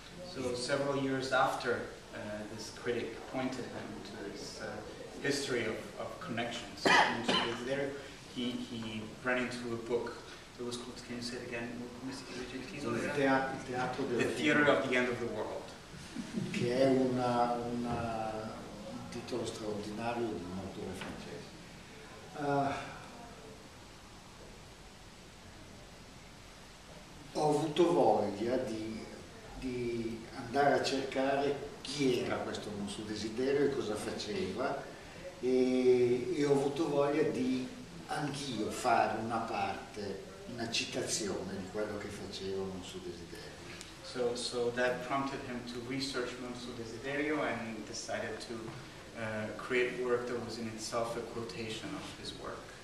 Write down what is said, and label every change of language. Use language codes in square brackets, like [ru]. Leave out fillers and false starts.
[en] So several years after this critic pointed him to this history of connections with Monsieur Desiderio, he ran into a book. It was called, can you say it again? The Theater of the End of the World. [it] Che è un titolo straordinario di un autore francese. Ho avuto voglia di andare a cercare chi era questo Monsieur Desiderio e cosa faceva e ho avuto voglia di anch'io fare una parte, una citazione di quello che faceva Monsieur Desiderio. [en] So that prompted him to research Monsieur Desiderio and decided to create work that was in itself a quotation of his work.